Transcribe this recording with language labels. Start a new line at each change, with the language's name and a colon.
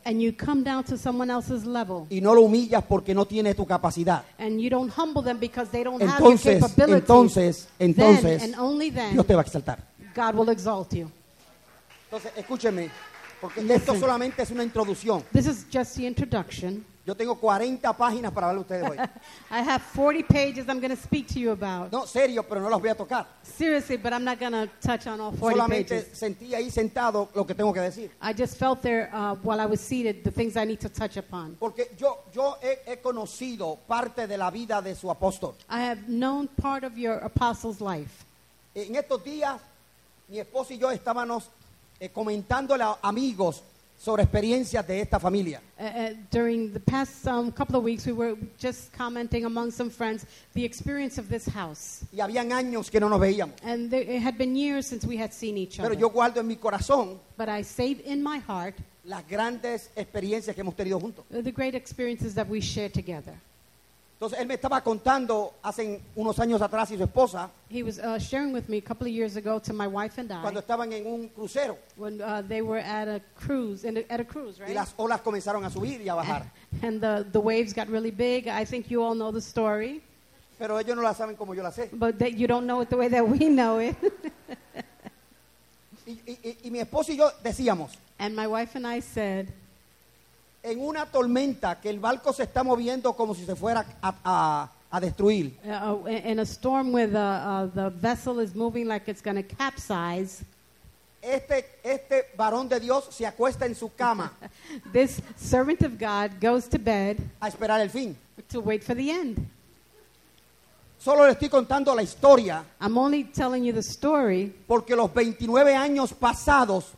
English: And you come down to someone else's level.
Spanish: Y no lo humillas porque no tiene tu capacidad.
English: And you don't humble them because they don't
Spanish: entonces,
English: have your capability.
Spanish: Entonces,
English: then, and only then,
Spanish: Dios te va a exaltar.
English: God will exalt you.
Spanish: Entonces, escúcheme, porque
English: listen,
Spanish: esto solamente es una introducción.
English: This is just the introduction.
Spanish: Yo tengo 40 páginas para hablar a ustedes hoy.
English: I have 40 pages I'm going to speak to you about.
Spanish: No, serio, pero no las voy a tocar.
English: Seriously, but I'm not going to touch on all 40
Spanish: solamente
English: pages.
Spanish: Solamente sentí ahí sentado lo que tengo que decir.
English: I just felt there while I was seated the things I need to touch upon.
Spanish: Porque yo he conocido parte de la vida de su apóstol.
English: I have known part of your apostle's life.
Spanish: En estos días mi esposo y yo estábamos comentándole a amigos sobre experiencias de esta familia.
English: During the past couple of weeks, we were just commenting among some friends the experience of this house.
Spanish: Y habían años que no nos veíamos.
English: And it had been years since we had seen each
Spanish: Pero
English: other.
Spanish: Pero yo guardo en mi corazón.
English: But I save in my heart
Spanish: las grandes experiencias que hemos tenido juntos.
English: The great experiences that we share together.
Spanish: Entonces él me estaba contando hace unos años atrás y su esposa.
English: He was sharing with me a couple of years ago to my wife and I.
Spanish: Cuando estaban en un crucero.
English: When they were at a cruise, right?
Spanish: Y las olas comenzaron a subir y a bajar.
English: And the waves got really big. I think you all know the story.
Spanish: Pero ellos no la saben como yo la sé.
English: But they, you don't know it the way that we know it.
Spanish: Y mi esposo y yo decíamos.
English: And my wife and I said.
Spanish: En una tormenta que el barco se está moviendo como si se fuera a destruir.
English: In a storm where the vessel is moving like it's going to capsize.
Spanish: Este varón de Dios se acuesta en su cama.
English: This servant of God goes to bed.
Spanish: A esperar el fin.
English: To wait for the end.
Spanish: Solo le estoy contando la historia.
English: I'm only telling you the story.
Spanish: Porque los 29 años pasados.